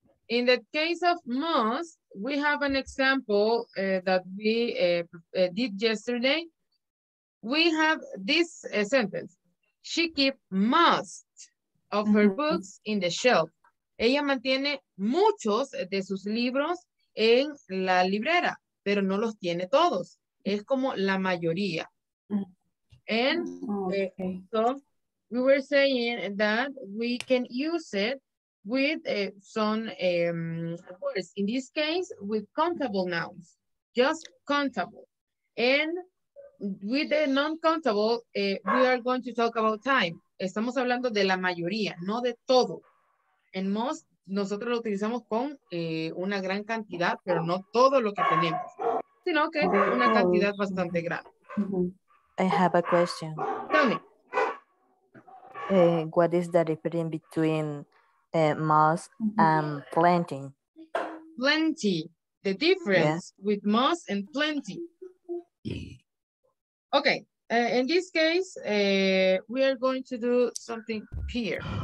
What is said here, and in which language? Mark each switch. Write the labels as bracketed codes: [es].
[en] In the case of must, we have an example that we did yesterday. We have this sentence. She keeps most of her books in the shelf. [es] Ella mantiene muchos de sus libros en la librera, pero no los tiene todos. Es como la mayoría. [en] And so we were saying that we can use it with some words. In this case, with countable nouns, just countable. And with the non-countable, we are going to talk about time. [es] Estamos hablando de la mayoría, no de todo. En most, nosotros lo utilizamos con una gran cantidad, pero no todo lo que tenemos, sino que una cantidad bastante grande. [en] I have a question. Tell me. What is the difference between most and plenty? Plenty. The difference with most and plenty. Okay. In this case, we are going to do something here.